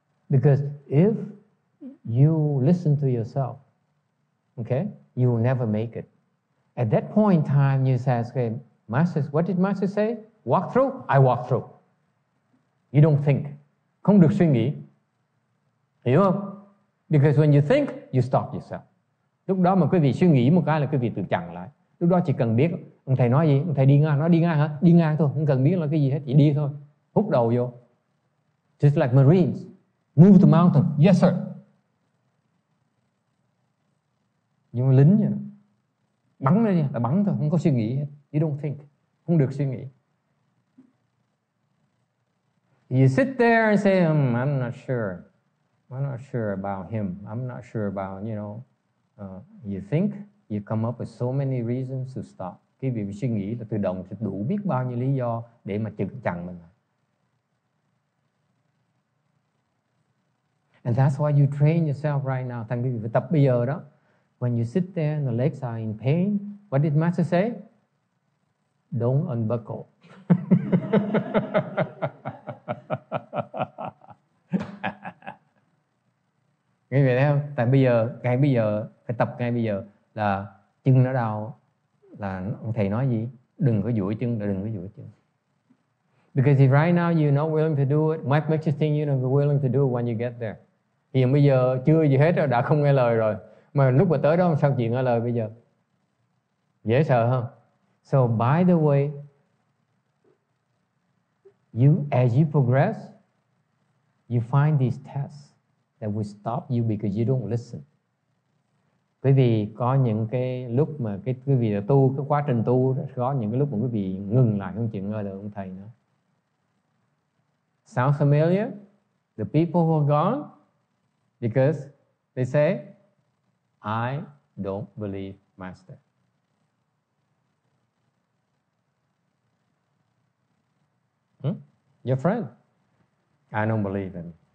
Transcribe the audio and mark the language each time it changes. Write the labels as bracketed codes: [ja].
[en] Because if you listen to yourself, okay, you will never make it. At that point in time, you say, okay, Master, what did Master say? Walk through? I walk through. You don't think. [vi] Không được suy nghĩ. Hiểu không? [en] Because when you think, you stop yourself. [vi] Lúc đó mà quý vị suy nghĩ một cái là quý vị tự chặn lại. Lúc đó chỉ cần biết ông thầy nói gì, ông thầy đi ngang, nó đi ngang hả? Đi ngang thôi, không cần biết là cái gì hết, chỉ đi thôi. Hút đầu vô. [en] Just like Marines. Move the mountain. Yes, sir. [vi] Nhưng mà lính vậy đó. Bắn ra là bắn thôi, không có suy nghĩ hết. [en] You don't think. [vi] Không được suy nghĩ. [en] You sit there and say, I'm not sure. I'm not sure about him. I'm not sure about, you know. You think you come up with so many reasons to stop. [vi] Cái việc suy nghĩ là tự động đủ biết bao nhiêu lý do để mà chừng chặn mình. [en] And that's why you train yourself right now. [vi] Thành quý vị tập bây giờ đó. [en] When you sit there and the legs are in pain, what did Master say? Don't unbuckle. [vi] Nghe vậy không? Tại bây giờ, ngay bây giờ, phải tập ngay bây giờ là chân nó đau. Là ông thầy nói gì? Đừng có duỗi chân, đừng có duỗi chân. [en] Because if right now you're not willing to do it, Mike makes you think you're not willing to do it when you get there. [vi] Hiện bây giờ chưa gì hết rồi, đã không nghe lời rồi. Mà lúc mà tới đó sao chịu nghe lời bây giờ? Dễ sợ không? [en] So by the way, you as you progress, you find these tests that will stop you because you don't listen. [vi] Quý vị có những cái lúc mà cái quý vị tu, cái quá trình tu có những cái lúc mà quý vị ngừng lại không chịu nghe lời ông thầy nữa. [en] Sound familiar? The people who are gone because they say, I don't believe Master. Your friend. I don't believe him.